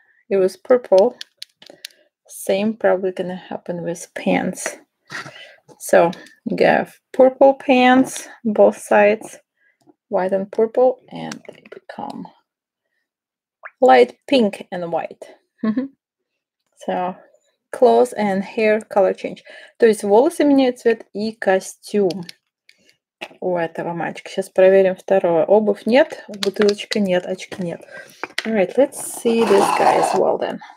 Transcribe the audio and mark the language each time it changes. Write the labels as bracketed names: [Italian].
[English] It was purple. Same probably gonna happen with pants. So, you have purple pants, both sides, white and purple, and they become light pink and white. So, clothes and hair color change. [Russian] То есть волосы меняют цвет и костюм у этого мальчика. Сейчас проверим второе. Обувь нет, бутылочка нет, очки нет. [English] All right, let's see this guy as well then.